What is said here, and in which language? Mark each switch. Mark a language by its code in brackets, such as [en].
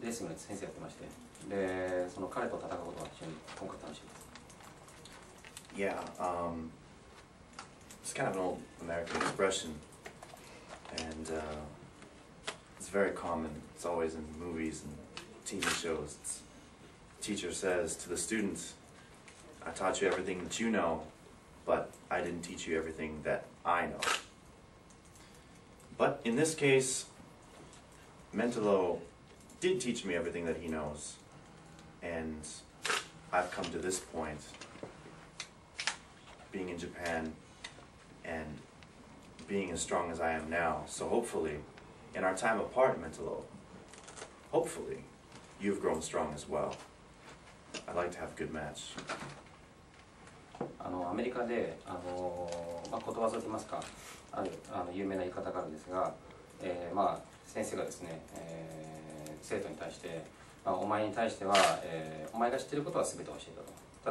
[ja] レスリングの先生やってまして、で、その彼と戦うことが非常に今回楽しみです。 [en] Yeah, It's kind of an old American expression, and it's very common. It's always in movies and TV shows. It's, the teacher says to the students, I taught you everything that you know, but I didn't teach you everything that I know. But in this case, Mentallo did teach me everything that he knows, and I've come to this point, being in Japan,And being as strong as I am now, so hopefully, in our time apart, Mentallo, hopefully, you've grown strong as well. I'd like to have a good match. [ja] アメリカで、ことわざといいますか、ある有名な言い方があるんですが、先生がですね、生徒に対して、お前に対しては、お前が知っていることはすべて教えたと。